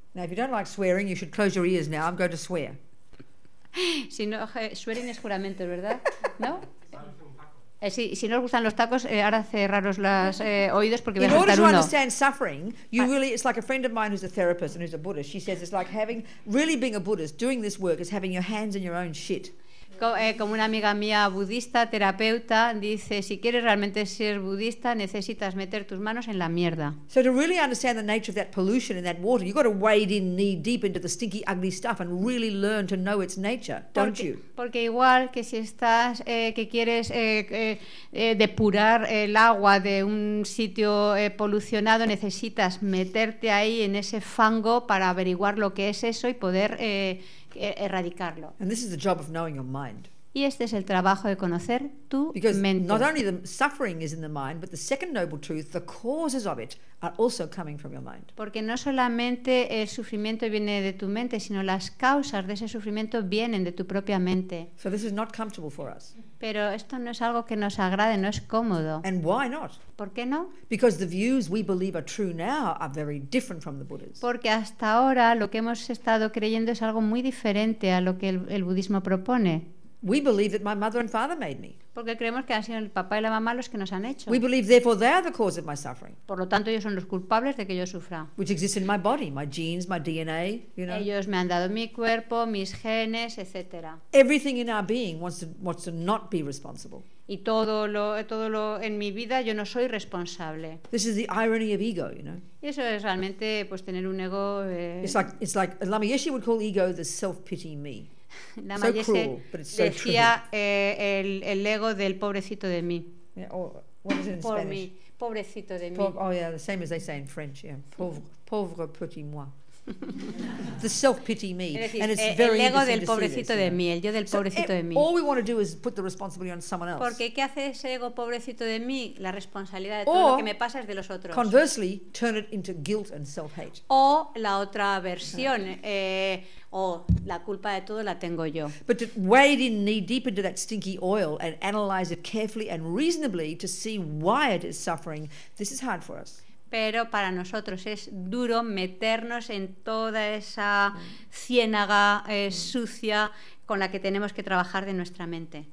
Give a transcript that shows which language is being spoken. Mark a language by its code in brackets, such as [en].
[en] Now, if you don't like swearing, you should close your ears now. I'm going to swear. [es] Si no, swearing es juramento, ¿verdad? ¿No? Si no os gustan los tacos, ahora cerraros los oídos porque voy a soltar uno. [en] In order to understand suffering, you really, it's like a friend of mine who's a therapist and who's a Buddhist. She says it's like having, really being a Buddhist, doing this work is having your hands in your own shit. [es] Como una amiga mía budista, terapeuta, dice, si quieres realmente ser budista, necesitas meter tus manos en la mierda. [en] So to really understand the nature of that pollution in that water, you've got to wade in knee deep into the stinky, ugly stuff and really learn to know its nature, don't you? [es] Porque igual que si estás, que quieres depurar el agua de un sitio polucionado, necesitas meterte ahí en ese fango para averiguar lo que es eso y poder... erradicarlo. [en] And this is the job of knowing your mind. [es] Y este es el trabajo de conocer tu [en] Because [es] mente. [en] Not only the suffering is in the mind, but the second noble truth, the causes of it, are also coming from your mind. [es] Porque no solamente el sufrimiento viene de tu mente, sino las causas de ese sufrimiento vienen de tu propia mente. [en] So this is not comfortable for us. [es] Pero esto no es algo que nos agrade, no es cómodo. [en] And why not? [es] ¿Por qué no? [en] Because the views we believe are true now are very different from the Buddha's. [es] Porque hasta ahora lo que hemos estado creyendo es algo muy diferente a lo que el budismo propone. [en] We believe that my mother and father made me. [es] Porque creemos que han sido el papá y la mamá los que nos han hecho. [en] We believe therefore they are the cause of my suffering. [es] Por lo tanto, ellos son los culpables de que yo sufra. [en] Which exists in my body, my genes, my DNA, you know. [es] Ellos me han dado mi cuerpo, mis genes, etcétera. [en] Everything in our being wants to not be responsible. [es] Y todo lo en mi vida yo no soy responsable. [en] This is the irony of ego, you know. [es] Y eso es realmente pues tener un ego. [en] It's like Lama Yeshe would call ego the self-pity me. [es] Lama Yeshe decía el ego del pobrecito de mí. [en] Yeah, what is it in [es] por [en] Spanish? [es] Mí, pobrecito de mí. [en] Oh yeah, the same as they say in French, yeah. [fr] Pauvre petit moi. [en] The self-pity me. [es] Es decir, [en] and it's [es] el ego del pobrecito [en] this, [es] de mí, el yo del [en] so [es] pobrecito de mí. [en] All we want to do is put the responsibility on someone else. [es] Porque ¿qué hace ese ego pobrecito de mí? La responsabilidad de todo [en] or, [es] lo que me pasa es de los otros. [en] Conversely, turn it into guilt and self-hate. [es] O la otra versión, okay. La culpa de todo la tengo yo. [en] But to wade in knee deep into that stinky oil and analyze it carefully and reasonably to see why it is suffering, this is hard for us. [es] Pero para nosotros es duro meternos en toda esa ciénaga sucia con la que tenemos que trabajar de nuestra mente.